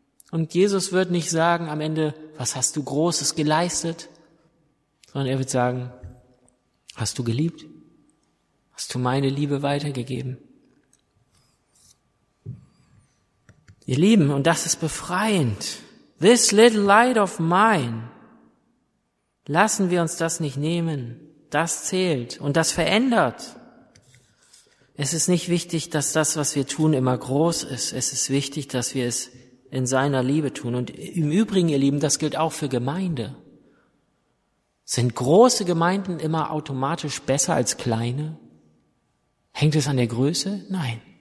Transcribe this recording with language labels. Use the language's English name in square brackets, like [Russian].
[German] Und Jesus wird nicht sagen am Ende, was hast du Großes geleistet, sondern er wird sagen, hast du geliebt? Hast du meine Liebe weitergegeben? Ihr Lieben, und das ist befreiend. [English] This little light of mine. [German] Lassen wir uns das nicht nehmen. Das zählt und das verändert. Es ist nicht wichtig, dass das, was wir tun, immer groß ist. Es ist wichtig, dass wir es in seiner Liebe tun. Und im Übrigen, ihr Lieben, das gilt auch für Gemeinde. Sind große Gemeinden immer automatisch besser als kleine? Hängt es an der Größe? Nein.